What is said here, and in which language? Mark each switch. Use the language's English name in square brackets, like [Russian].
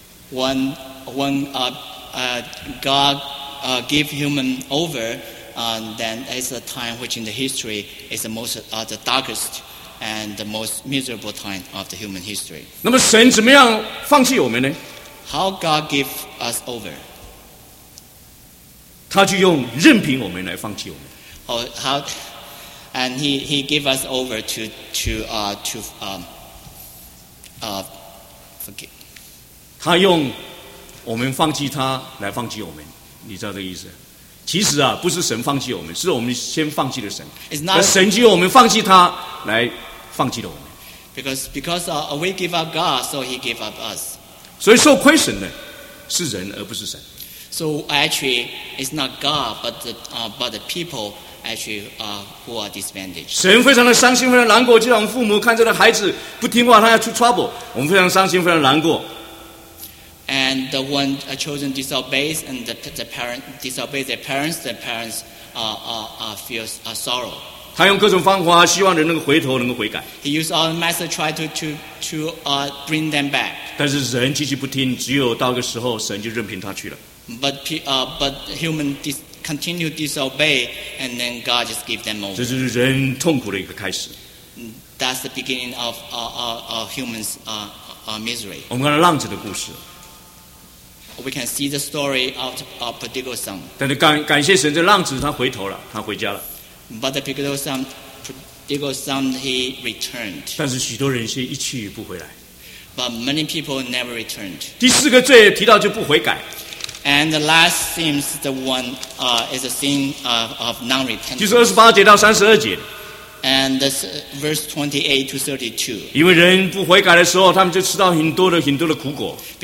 [English] When God give human over, then it's a time which in the history is the most the darkest and the most miserable time of the human history. [Chinese] 那么神怎么样放弃我们呢 [English] ？How God give us over? [Chinese] 他就用任凭我们来放弃我们。 [English] And he gave us over to forget. [Chinese] 他用我们放弃他来放弃我们，你知道这个意思？其实啊，不是神放弃我们，是我们先放弃了神。 [English] It's not [Chinese] 神就用我们放弃他来放弃了我们。 [English] Because we give up God, so he gave up us. [Chinese] 所以受亏损的是人，而不是神。 [English] So actually, it's not God, but the people. Actually, who are disadvantaged. [Chinese] 神非常的伤心，非常难过。就像我们父母看这个孩子不听话，他要出 trouble， 我们非常伤心，非常难过。 [English] And when a children disobeys and the parent disobeys their parents, the parents feels a sorrow. [Chinese] 他用各种方法希望人能够回头，能够悔改。 [English] He used all the methods try to bring them back. [Chinese] 但是人继续不听，只有到个时候，神就任凭他去了。 [English] But human continue disobey, and then God just give them over. [Chinese] 这就是人痛苦的一个开始。 [English] That's the beginning of our humans' misery. [Chinese] 我们看到浪子的故事。 [English] We can see the story of a prodigal son. [Chinese] 但是感谢神，这浪子他回头了，他回家了。 [English] But the prodigal son he returned. [Chinese] 但是许多人却一去不回来。 [English] But many people never returned. [Chinese] 第四个罪提到就不悔改。 [English] And the last seems the one is a sin of non-repentance. [Chinese] 就是二十八节到三十二节。 [English] And verse 28-32. [Chinese] 因为人不悔改的时候，他们就吃到很多的很多的苦果。